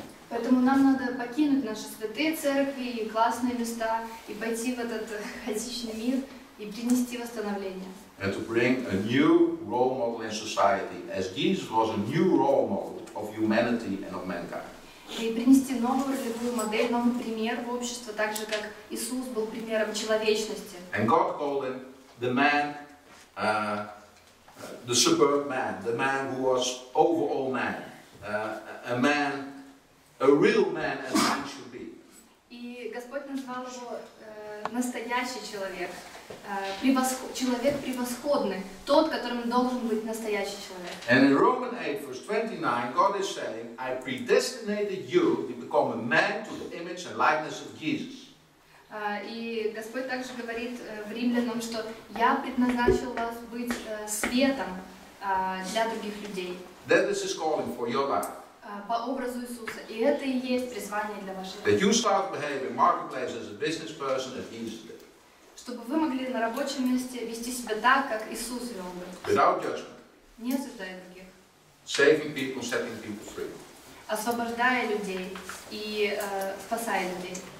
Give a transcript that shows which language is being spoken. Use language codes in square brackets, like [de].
[ru] Поэтому нам надо покинуть наши святые церкви и классные места и пойти в этот хаотичный мир и принести восстановление. [en] And to bring a new role model in society, as Jesus was a new role model of humanity and of mankind. [ru] И принести новую ролевую модель, новый пример в общество, так же, как Иисус был примером человечности. [en] And God called him the man, the superb man, the man who was over all men, a man, a real man as man should be. [ru] И Господь назвал его настоящий человек, человек превосходный, тот, которым должен быть настоящий человек. [en] And in Romans 8, verse 29, God is saying, I predestinated you to become a man to the image and likeness of Jesus. [ru] И Господь также говорит в Римлянам, что я предназначил вас быть светом для других людей. [en] That is his calling for your life. [ru] По образу Иисуса. И это и есть призвание для вашей жизни. [en] That you start behaving in marketplace as a business person as Jesus did. [ru] Чтобы вы могли на рабочем месте вести себя так, как Иисус вел бы. [en] Without judgment. [ru] Не осуждая других. [en] Saving people, setting people free. [ru] Освобождая людей и спасая людей.